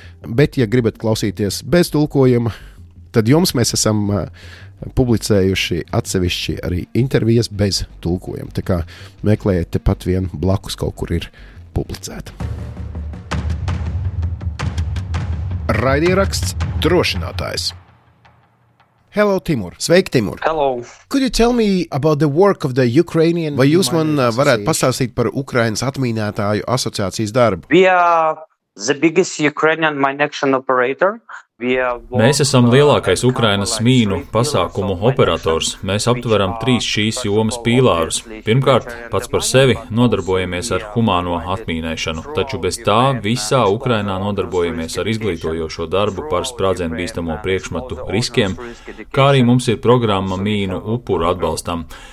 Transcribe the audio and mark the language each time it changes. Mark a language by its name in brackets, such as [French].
[Latvian] Bet, ja gribat klausīties bez tulkojuma, tad jums mēs esam publicējuši atsevišķi arī intervijas bez tulkojuma. Tā kā meklējiet tepat vien blakus kaut kur ir publicēta. Raidieraksts drošinātājs. [English] Hello, Timur. [Latvian] Sveiki, Timur. [English] Hello. Could you tell me about the work of the Ukrainian... [Latvian] Vai jūs man varētu pastāstīt par Ukrainas atmīnētāju asociācijas darbu? [English] We are the biggest Ukrainian mine action operator. [Latvian] Mēs esam lielākais Ukrainas mīnu pasākumu operators. Mēs aptveram trīs šīs jomas pīlārus. Pirmkārt, pats par sevi nodarbojamies ar humāno atmīnēšanu, taču bez tā visā Ukrainā nodarbojamies ar izglītojošo darbu par spradzenbīstamo priekšmetu riskiem, kā arī mums ir programma mīnu upuru atbalstam.